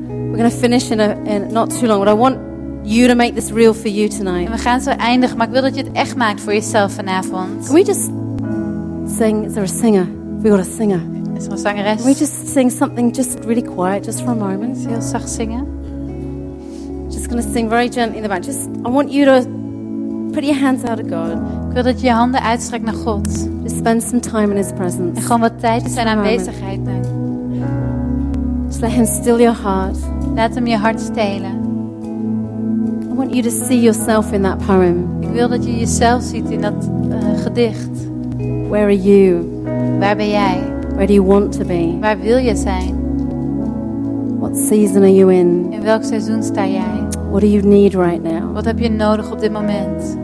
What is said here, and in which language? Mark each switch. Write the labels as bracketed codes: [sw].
[en] We're going to finish in not too long, but I want you to make this real for you tonight. [nl] We gaan zo eindigen, maar ik wil dat je het echt maakt voor jezelf vanavond. [en] Can we just sing? Is there a singer? We got a singer. [nl] Is er een zangeres? [en] Can we just sing something just really quiet, just for a moment? [nl] Heel zacht zingen. [en] Just going to sing very gently in the back. Just, I want you to put your hands out of God. [nl] Ik wil dat je je handen uitstrekt naar God. [en] Just spend some time in His presence. [nl] En gewoon wat tijd in zijn aanwezigheid. [en] Let him steal your heart. [nl] Laat hem je hart stelen. [en] I want you to see yourself in that poem. [nl] Ik wil dat je jezelf ziet in dat gedicht. [en] Where are you? [nl] Waar ben jij? [en] Where do you want to be? [nl] Waar wil je zijn? [en] What season are you in? [nl] In welk seizoen sta jij? [en] What do you need right now? [nl] Wat heb je nodig op dit moment?